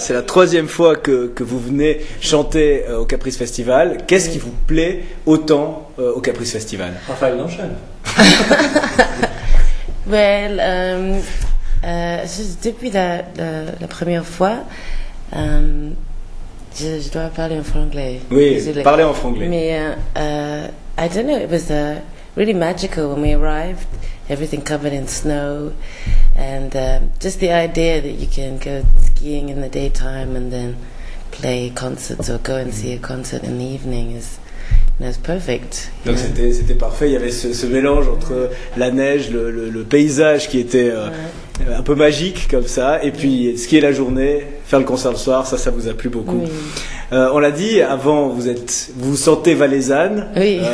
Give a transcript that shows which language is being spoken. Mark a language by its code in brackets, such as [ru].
[fr] C'est la 3e fois que vous venez chanter au Caprice Festival. Qu'est-ce qui vous plaît autant au Caprice Festival? Raphaël Nanchan. Well, depuis la première fois, je dois parler en franglais. Oui, parler en franglais. [en] Mais, I don't know, it was really magical when we arrived, everything covered in snow, and just the idea that you can go skiing in the daytime and then play concerts or go and see a concert in the evening is... That's perfect. [fr] Donc yeah. c'était parfait, il y avait ce mélange entre la neige, le paysage qui était un peu magique comme ça, et puis ce qui est la journée, faire le concert le soir, ça vous a plu beaucoup. Oui. On l'a dit, avant vous sentez valaisanne, oui.